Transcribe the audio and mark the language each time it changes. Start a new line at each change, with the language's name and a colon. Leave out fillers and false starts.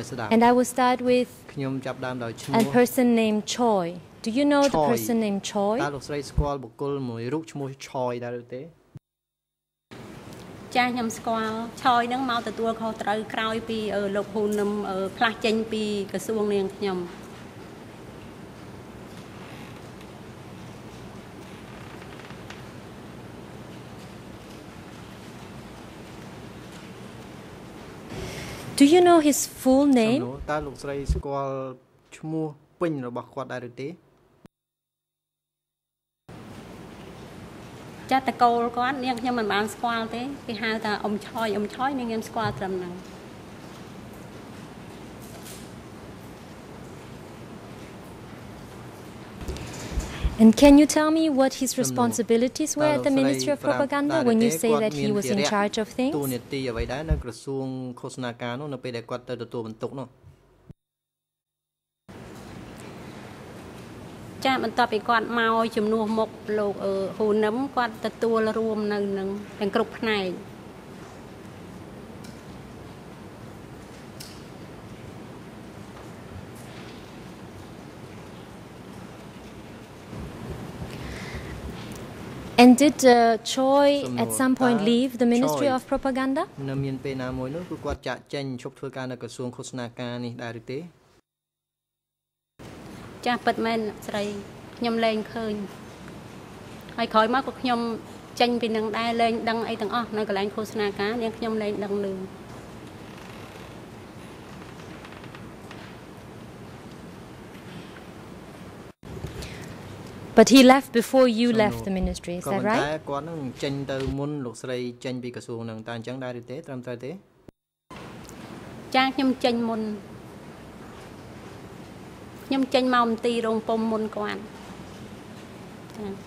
English: And I will start with a person named Choi. Do you know the person named Choi?
Khmer: តើលោកស្រីស្គាល់បុគ្គលមួយរូបឈ្មោះ Choi ដែរឬទេ? ចាខ្ញុំស្គាល់ Choi ហ្នឹងមកទទួលខុសត្រូវក្រោយពីលោកហ៊ុននឹមផ្លាស់ចេញពីក្រសួងនាងខ្ញុំ
English: Do you know his full name?
Khmer: តើលោកស្រីស្គាល់ឈ្មោះពេញរបស់គាត់ដែរឬទេ? ចាតកូលគាត់នាងខ្ញុំមិនបានស្គាល់ទេគេហៅថាអ៊ំឆយអ៊ំឆយនាងខ្ញុំស្គាល់ត្រឹមហ្នឹង
English: And can you tell me what his responsibilities were at the Ministry of Propaganda when you say that he was in charge of things?
Khmer: តួនាទីអ្វីដែរនៅក្រសួងឃោសនាការនោះនៅពេលដែលគាត់ទៅទទួលបន្ទុកនោះ ចាបន្ទាប់ពីគាត់មកជំនួសមុខលោកហ៊ូនឹមគាត់ទទួលរួមនៅនឹងទាំងគ្រប់ផ្នែក
English: And did Choi at some point leave the Ministry of Propaganda?
Khmer: នៅមានពេលណាមួយនោះគឺគាត់ចាក់ចេញឈប់ធ្វើការនៅក្រសួងឃោសនាការនេះដែរឬទេ ចាស់ពិតមែនស្រីខ្ញុំលែងឃើញហើយក្រោយមកក៏ខ្ញុំចេញពីនឹងដែរលែងដឹងអីទាំងអស់នៅកន្លែងឃោសនាការនាងខ្ញុំលែងដឹងលឺ
English: But he left before you left the ministry, is that right?
Khmer: គាត់នឹងចេញទៅមុនលោកស្រីចេញពីក្រសួងនឹងតើអញ្ចឹងដែរឬទេត្រឹមត្រូវទេ ចាខ្ញុំចេញមុនខ្ញុំចេញមកមន្ទីររងពំមុនគាត់ចា